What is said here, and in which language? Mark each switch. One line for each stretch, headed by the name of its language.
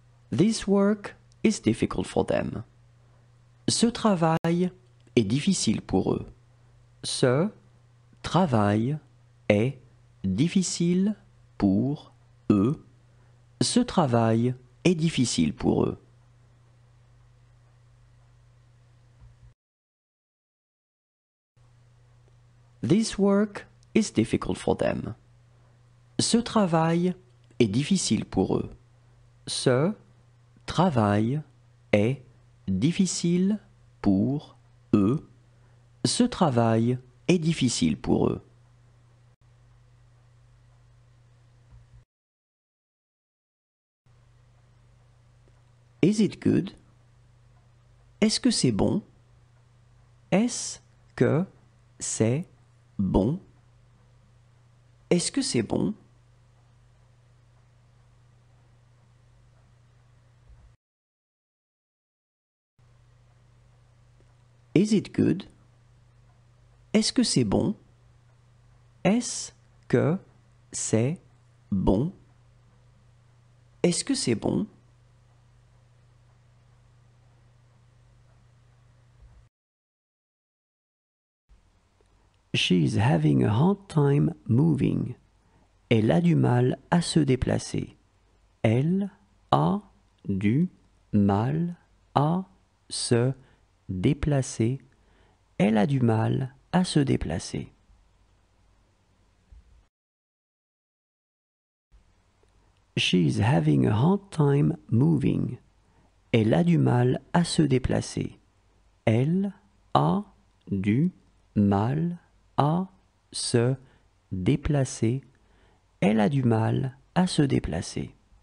English: This work is difficult for them.
French: Ce travail est difficile pour eux. Ce travail est difficile pour eux. Ce travail est difficile pour eux.
English: This work is difficult for them.
French: Ce travail est difficile pour eux. Ce travail est difficile pour eux. Ce travail est difficile pour eux.
English: Is it good?
French: Est-ce que c'est bon? Est-ce que c'est bon? Est-ce que c'est bon?
English: Is it good?
French: Est-ce que c'est bon? Est-ce que c'est bon? Est-ce que c'est bon?
English: She's having a hard time moving.
French: Elle a du mal à se déplacer. Elle a du mal à se déplacer. Elle a du mal à se déplacer.
English: She's having a hard time moving.
French: Elle a du mal à se déplacer. Elle a du mal à se déplacer. Elle a du mal à se déplacer.